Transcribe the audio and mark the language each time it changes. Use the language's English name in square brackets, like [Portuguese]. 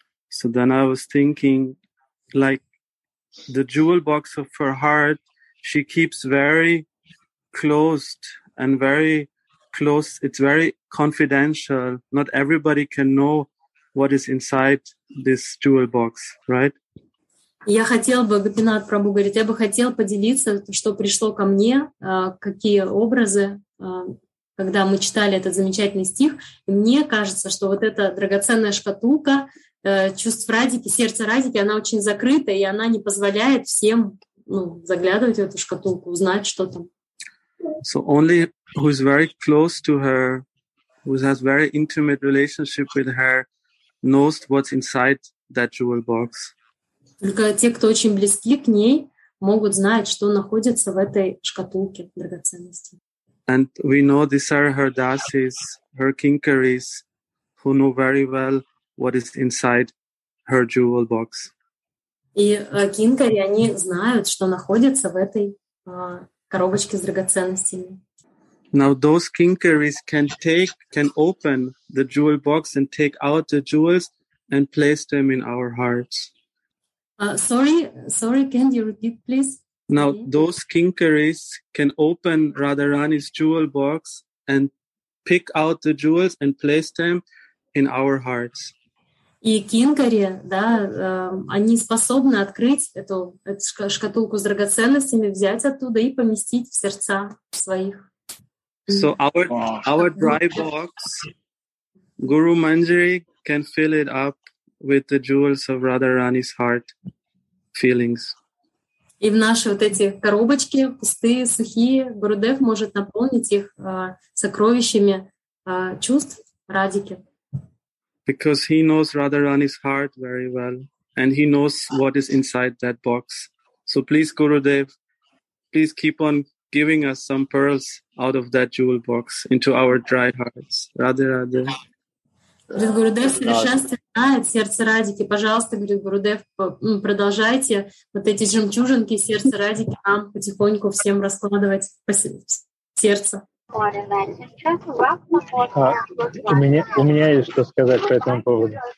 [English] So then I was thinking, like, the jewel box of her heart, she keeps very closed and very close. It's very confidential. Not everybody can know what is inside this jewel box, right? [Russian] Я хотел бы, Гопинат Прабху говорит, я бы хотел поделиться, что пришло ко мне, какие образы, когда мы читали этот замечательный стих. И мне кажется, что вот эта драгоценная шкатулка чувств Радики, сердце Радики, она очень закрыта, и она не позволяет всем, ну, заглядывать в эту шкатулку, узнать, что там. [English] So only who is very close to her, who has very intimate relationship with her, knows what's inside that jewel box. [Russian] Только те, кто очень близки к ней, могут знать, что находится в этой шкатулке драгоценности. [English] And we know these are her dasis, her kinkaris, who know very well what is inside her jewel box. [Russian] И кинкари, они знают, что находится в этой коробочке с драгоценностями. [English] Now those kinkaris can open the jewel box and take out the jewels and place them in our hearts. Sorry, can you repeat, please? Now those kinkaris can open Radharani's jewel box and pick out the jewels and place them in our hearts. [Russian] И кинкари, да, они способны открыть эту шкатулку с драгоценностями, взять оттуда и поместить в сердца своих. [English] So our dry box, Guru Manjari can fill it up with the jewels of Radharani's heart feelings. [Russian] И в наши вот эти коробочки, пустые, сухие, Гурудев может наполнить их сокровищами чувств Радики. [English] Because he knows Radharani's heart very well, and he knows what is inside that box. So please, Gurudev, please keep on giving us some pearls out of that jewel box into our dry hearts. Radhe-Radhe. [Russian] Говорит, Гурудев, совершенствует сердце Радики. Пожалуйста, говорит, Гурудев, продолжайте вот эти жемчужинки сердца Радики нам потихоньку всем раскладывать в сердце. У меня есть что сказать по этому поводу.